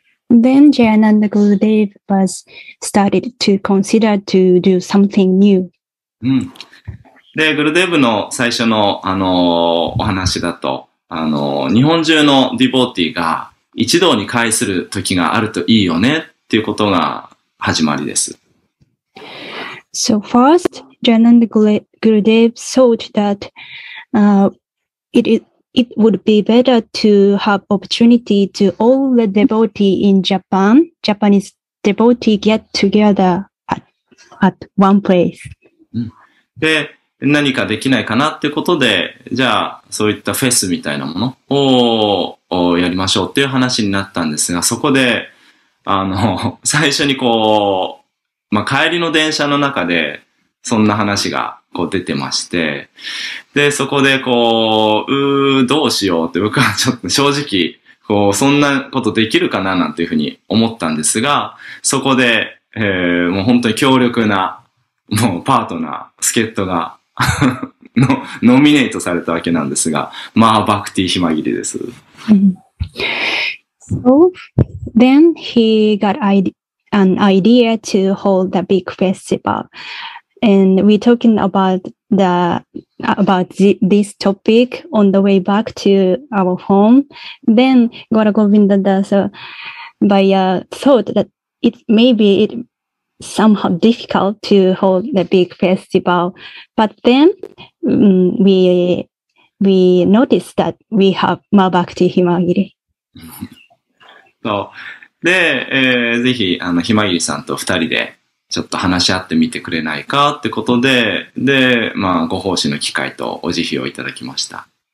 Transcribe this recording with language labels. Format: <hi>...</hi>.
<en>Then, Jayan and Gurudev was started to consider to do something new.</en> <ja>うん。で、グルデーブの最初の、お話だと、日本中のディボーティが、一堂に会する時があるといいよねっていうことが始まりです。</ja> <en>So first, Jayananda Gurudev thought that it would be better to have opportunity to all the devotee in Japan, Japanese devotee get together at one place.</en> <ja>で、何かできないかなっていうことで、じゃあそういったフェスみたいなものをやりましょうっていう話になったんですが、そこで、最初にこう、まあ、帰りの電車の中で、そんな話がこう出てまして、で、そこでこう、どうしようって僕はちょっと正直、こう、そんなことできるかななんていうふうに思ったんですが、そこで、もう本当に強力な、もうパートナー、助っ人が、ノミネートされたわけなんですが、まあ、バクティひまぎりです。</ja> <en>So then he got an idea to hold the big festival, and we talking about this topic on the way back to our home. Then Gaura Govinda Dasa Bhaiya thought that it somehow difficult to hold the big festival, but then we noticed that we have Ma Bhakti Himagiri.</en> <ja>そう。で、ぜひ、ひまぎりさんと二人で、ちょっと話し合ってみてくれないかってことで、で、まあ、ご奉仕の機会とお慈悲をいただきました。</ja>